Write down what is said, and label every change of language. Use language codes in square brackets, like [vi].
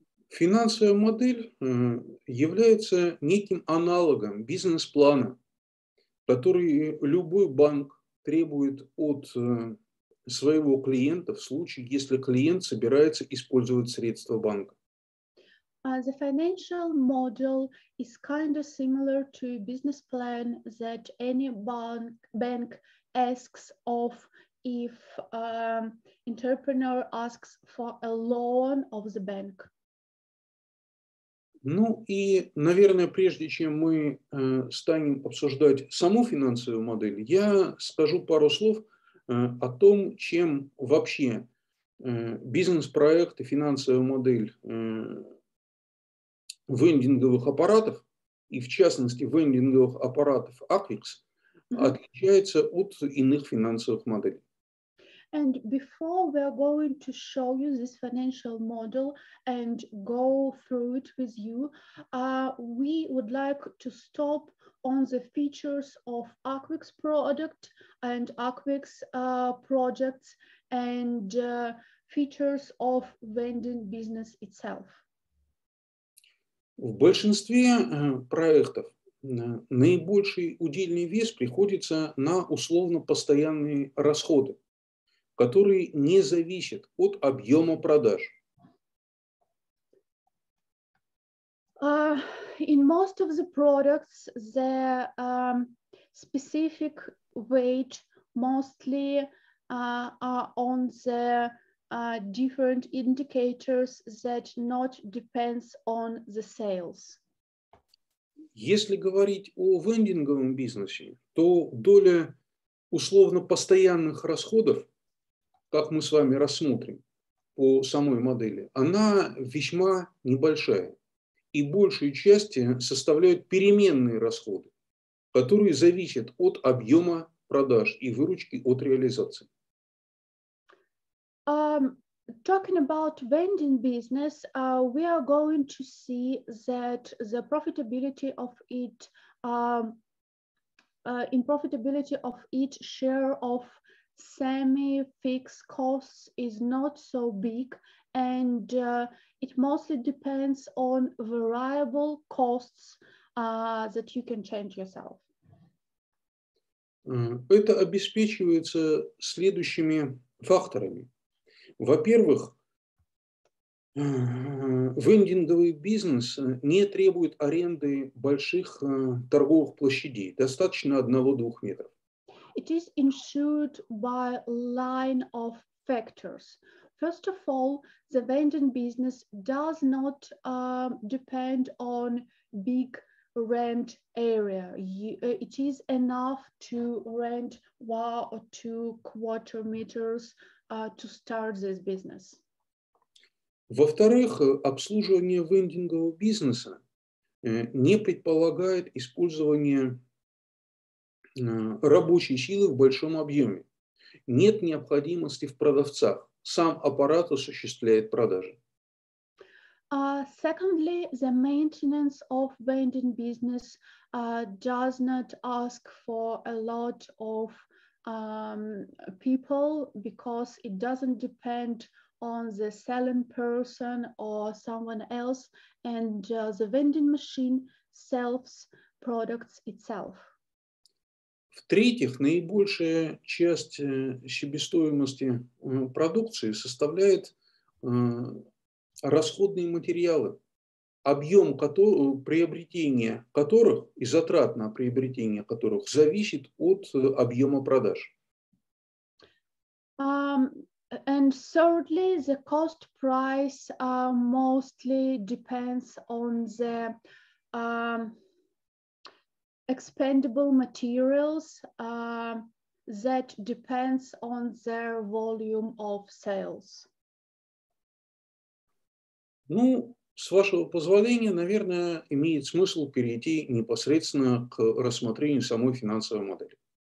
[ru] Финансовая модель является неким аналогом бизнес-плана, который любой банк требует от своего клиента в случае, если клиент собирается использовать средства банка. [en] The financial model is kind of similar to a business plan that any bank asks of if entrepreneur asks for a loan of the bank. [ru] Ну и, наверное, прежде чем мы станем обсуждать саму финансовую модель, я скажу пару слов о том, чем вообще бизнес-проект и финансовая модель вендинговых аппаратов, и в частности вендинговых аппаратов Aquix, отличается от иных финансовых моделей. [en] And before we are going to show you this financial model and go through it with you, we would like to stop on the features of Aquix product and Aquix projects and features of vending business itself. [ru] В большинстве проектов наибольший удельный вес приходится на условно-постоянные расходы, который не зависит от объема продаж. [en] In most of the products, the specific weight mostly are on the different indicators that not depends on the sales. [ru] Если говорить о вендинговом бизнесе, то доля условно-постоянных расходов, как мы с вами рассмотрим по самой модели, она весьма небольшая. И большую часть составляют переменные расходы, которые зависят от объема продаж и выручки от реализации. [en] Talking about vending business, we are going to see that the profitability of it, in profitability of each share of semi-fixed costs is not so big, and it mostly depends on variable costs that you can change yourself. [ru] Это обеспечивается следующими факторами. Во-первых, вендинговый бизнес не требует аренды больших торговых площадей, достаточно 1-2 метров. [en] It is ensured by line of factors. First of all, the vending business does not depend on big rent area. It is enough to rent 1 or 2 square meters to start this business. [ru] Во-вторых, обслуживание вендингового бизнеса не предполагает использование рабочей силы в большом объеме. Нет необходимости в продавцах. Сам аппарат осуществляет продажи. [en] Secondly, the maintenance of vending business does not ask for a lot of people because it doesn't depend on the selling person or someone else, and the vending machine sells products itself. [ru] В-третьих, наибольшая часть себестоимости продукции составляет расходные материалы, объем приобретения которых и затрат на приобретение которых зависит от объема продаж. [en] And thirdly, the cost price mostly depends on the expendable materials that depends on their volume of sales. [ru] Ну, с вашего позволения, наверное, имеет смысл перейти непосредственно к рассмотрению самой финансовой модели.